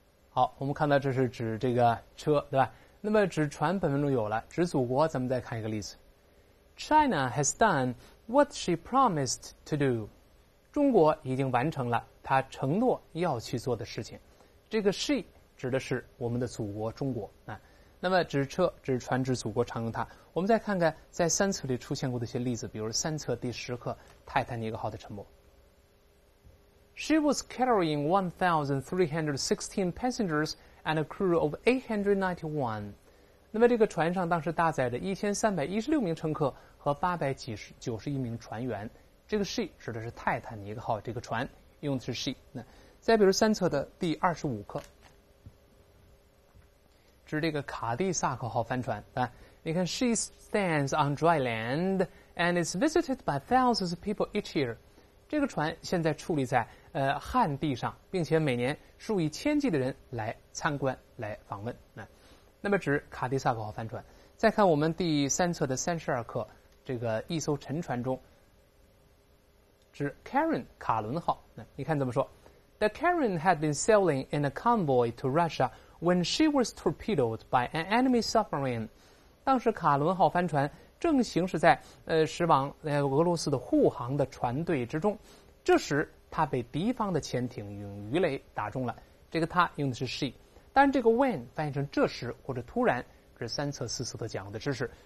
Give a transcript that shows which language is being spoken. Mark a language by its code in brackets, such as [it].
[zh] 好，我们看到这是指这个车，对吧？那么指船本文中有了，指祖国咱们再看一个例子。 [en] China has done what she promised to do。 [zh] 中国已经完成了她承诺要去做的事情。这个 she 指的是我们的祖国中国啊。那么指车、指船、指祖国常用它。我们再看看在三册里出现过的一些例子，比如三册第十课泰坦尼克号的沉没。 [en] She was carrying 1,316 passengers and a crew of 891. [zh] 那么这个船上当时搭载着1,316名乘客和891名船员。这个 she 指的是泰坦尼克号这个船，用的是 she。那再比如三册的第25课，指这个卡蒂萨克号帆船啊。你看 [en] ，She stands on dry land and is visited by thousands of people each year. [zh] 这个船现在矗立在旱地上，并且每年数以千计的人来参观、来访问。那么指卡迪萨克号帆船。再看我们第三册的32课，这个一艘沉船中，指 Karen 卡伦号。你看怎么说 [en] ？The Karen had been sailing in a convoy to Russia when she was torpedoed by an enemy submarine。 [zh] 当时卡伦号帆船正行驶在驶往俄罗斯的护航的船队之中，这时他被敌方的潜艇用鱼雷打中了。这个他用的是 she， 但这个 when 翻译成这时或者突然，这是三册四册的讲的知识。